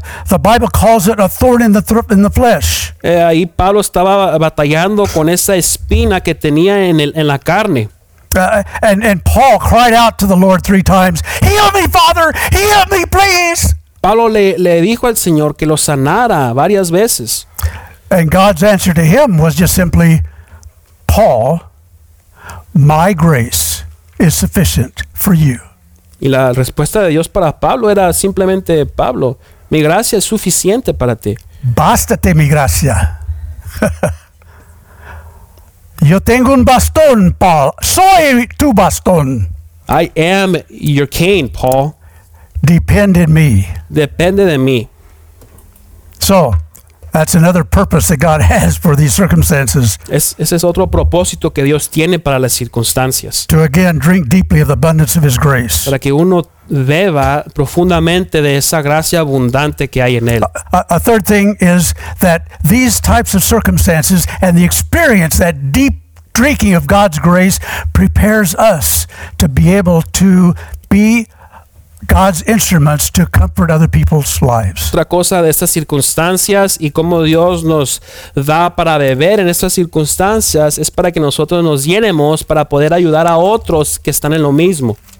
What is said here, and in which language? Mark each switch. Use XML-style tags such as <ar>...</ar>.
<en>The Bible calls it a thorn in the flesh.</en> <es>Ahí Pablo estaba batallando con esa espina que tenía en la carne.</es> <en>And Paul cried out to the Lord 3 times. Heal me, Father. Heal me, please.</en> <es>Pablo le dijo al Señor que lo sanara varias veces.</es> <en>And God's answer to him was just simply, Paul, my grace is sufficient for you.</en> <es>Y la respuesta de Dios para Pablo era simplemente, Pablo, mi gracia es suficiente para ti. Bástate mi gracia. Yo tengo un bastón, Paul. Soy tu bastón.</es> <en>I am your cane, Paul. depend in me.</en> <es>Depende de mí.</es> <en>So, that's another purpose that God has for these circumstances.</en> <es>Ese es otro propósito que Dios tiene para las circunstancias.</es> <en>To again drink deeply of the abundance of His grace.</en> <es>Para que uno beba profundamente de esa gracia abundante que hay en él.</es> <en>A third thing is that these types of circumstances and the experience that deep drinking of God's grace prepares us to be able to be God's instruments to comfort other people's lives.</en> <es>Otra cosa de estas circunstancias y cómo Dios nos da para beber en estas circunstancias es para que nosotros nos llenemos para poder ayudar a otros que están en lo mismo.</es>